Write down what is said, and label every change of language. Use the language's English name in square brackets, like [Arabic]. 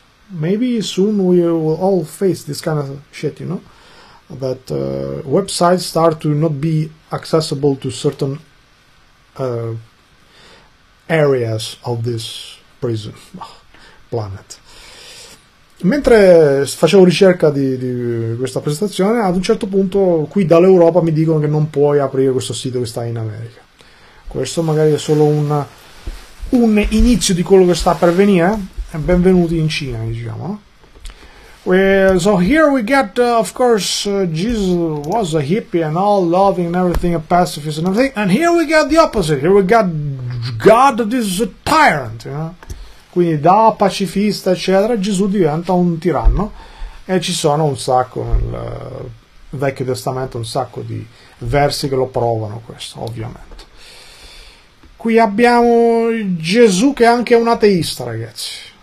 [English] Maybe soon we will all face this kind of shit, you know. That websites start to not be accessible to certain areas of this prison planet. [Italian] Mentre facevo ricerca di questa presentazione, ad un certo punto qui dall'Europa mi dicono che non puoi aprire questo sito che sta in America. Questo magari è solo un inizio di quello che sta per venire. Benvenuti in Cina, diciamo. [English] So here we get, of course, Jesus was a hippie and all loving and everything, a pacifist and everything. And here we get the opposite. Here we got God, this is a tyrant. You know? [Italian] Quindi da pacifista, eccetera, Gesù diventa un tiranno. E ci sono un sacco nel Vecchio Testamento, un sacco di versi che lo provano questo, ovviamente. Qui abbiamo Gesù che è anche un ateista, ragazzi.